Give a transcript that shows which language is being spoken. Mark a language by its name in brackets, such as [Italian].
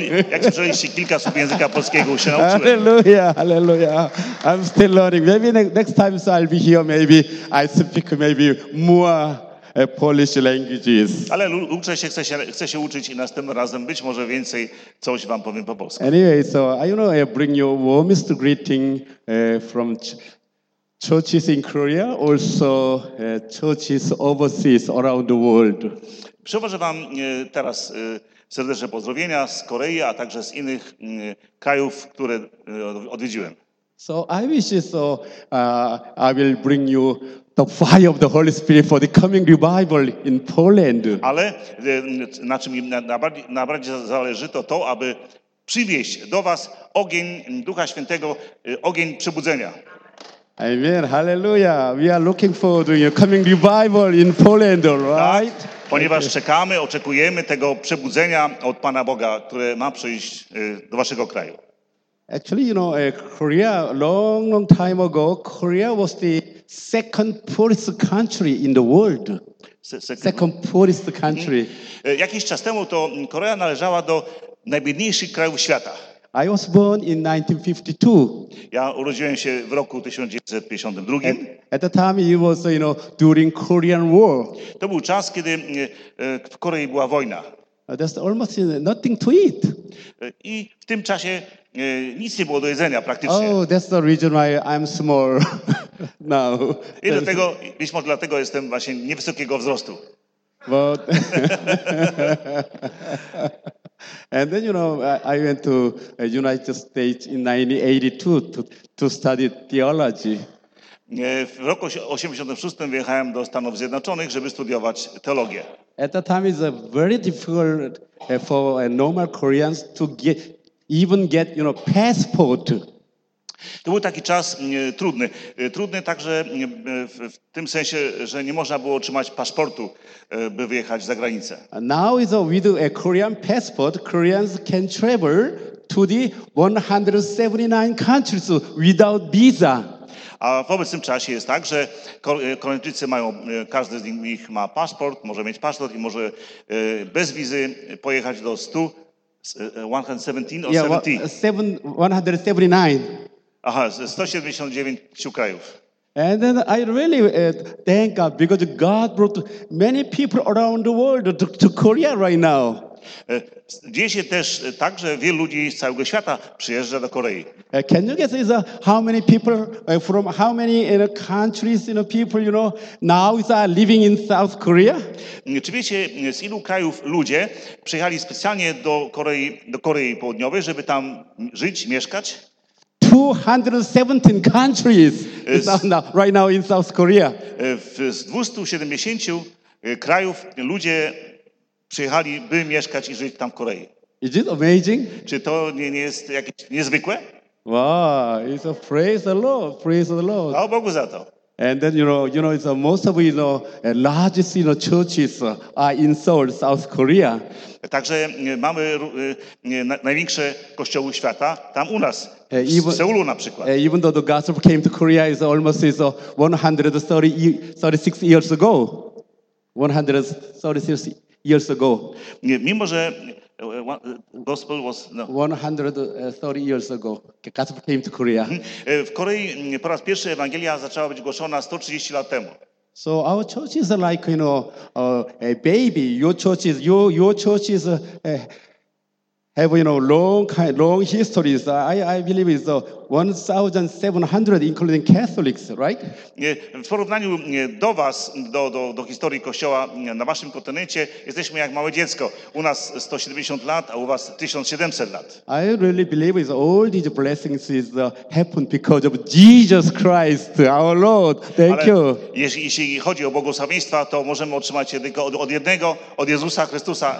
[Polish] Jak słyszeliście kilka słów języka polskiego, się nauczyłem. [English] Hallelujah, hallelujah. I'm still learning. Maybe next time so I'll be here, maybe I speak maybe more. Polish languages. [Polish] Ale chcę się uczyć i następnym razem być może więcej coś wam powiem po polsku. [English] Anyway, so I bring you warmest greeting from churches in Korea, also churches overseas around the world. [Polish] Przywożę wam teraz serdeczne pozdrowienia z Korei, a także z innych krajów, które odwiedziłem. [English] So I wish you so I will bring you the fire of the Holy Spirit for the coming revival in Poland. [Polish] Ale na czym mi najbardziej zależy to, aby przywieźć do was ogień Ducha Świętego, ogień przebudzenia. Amen. Hallelujah. [English] We are looking forward to your coming revival in Poland, right? [Polish] Tak, ponieważ czekamy, oczekujemy tego przebudzenia od Pana Boga, które ma przyjść do waszego kraju. [English] Actually, you know, Korea long time ago, Korea was the second poorest country in the world. Second poorest country. [Polish] Jakiś czas temu to Korea należała do najbiedniejszych krajów świata. [English] I was born in 1952. [Polish] Ja urodziłem się w roku 1952. [English] At the time it was, you know, during Korean War. [Polish] To był czas, kiedy w Korei była wojna. [English] There's almost nothing to eat. [Polish] I w tym czasie nic nie było do jedzenia praktycznie. [English] Oh, that's the reason why I'm small now. [Polish] I dlatego, być może dlatego jestem właśnie niewysokiego wzrostu. [English] But and then, you know, I went to United States in 1982 to study theology. [Polish] W roku 86 wyjechałem do Stanów Zjednoczonych, żeby studiować teologię. [English] At that time it's very difficult for a normal Koreans to get, you know, passport. [Polish] To był taki czas trudny. Trudny także w tym sensie, że nie można było otrzymać paszportu, by wyjechać za granicę. [English] Now is with a Korean passport, Koreans can travel to the 179 countries without visa. [Polish] A w obecnym czasie jest tak, że Koreańczycy mają, każdy z nich ma paszport, może mieć paszport i może bez wizy pojechać do 179 krajów. [English] And then I really thank God because God brought many people around the world to Korea right now. [Polish] Dzieje się też tak, że wielu ludzi z całego świata przyjeżdża do Korei. [English] Can you guess is how many people from how many countries, you know, people, you know, now is living in South Korea? [Polish] Czy wiecie, z ilu krajów ludzie przyjechali specjalnie do Korei Południowej, żeby tam żyć, mieszkać? [English] 217 countries right now in South Korea. [Polish] Z 270 krajów ludzie przyjechali, by mieszkać i żyć tam w Korei. [English] Is it amazing? [Polish] Czy to nie jest jakieś niezwykłe? [English] Wow, it's a praise the Lord, praise the Lord. [Polish] Chwała Bogu za to. [English] And then, you know, it's most of, you know, largest, you know, churches are in Seoul, South Korea. [Polish] Także mamy największe kościoły świata tam u nas, even, w Seulu na przykład. [English] Even though the gospel came to Korea is almost 136 years ago. 136 years ago. [Polish] Mimo, że [English] gospel was... No. 130 years ago. Gospel came to Korea. [Polish] W Korei po raz pierwszy Ewangelia zaczęła być głoszona 130 lat temu. [English] So our church is like, you know, a baby. Your church is have, you know, long history. So I believe it's 1,700, including Catholics, right? [Polish] W porównaniu do was, do historii Kościoła na waszym kontynencie, jesteśmy jak małe dziecko. U nas 170 lat, a u was 1700 lat. [English] I really believe it's all these blessings is happen because of Jesus Christ, our Lord. Thank [Polish] Ale [English] you. [Polish] Jeśli chodzi o błogosławieństwa, to możemy otrzymać je tylko od jednego, od Jezusa Chrystusa.